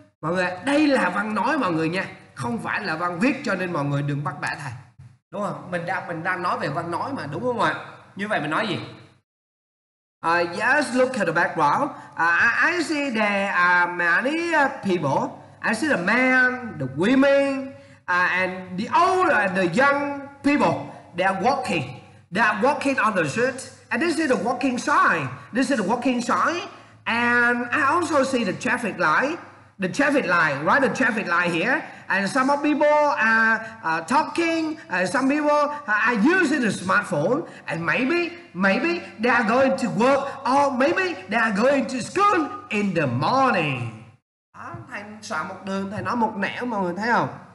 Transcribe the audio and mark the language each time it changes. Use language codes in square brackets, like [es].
[vi] Mọi người, đây là văn nói mọi người nha, không phải là văn viết, cho nên mọi người đừng bắt bẻ thầy. Đúng không? Mình đang nói về văn nói mà, đúng không ạ? Như vậy mình nói gì? [en] Yes, look at the background. I see there are many people. I see the men, the women, and the old and the young people. They are walking on the street. And this is the walking sign. And I also see the traffic light. The traffic light here. And some of people are talking, some people are using the smartphone, and maybe they are going to work, or maybe they are going to school in the morning. [vi] Đó, thầy soạn một đường, thầy nói một nẻo, mọi người thấy không?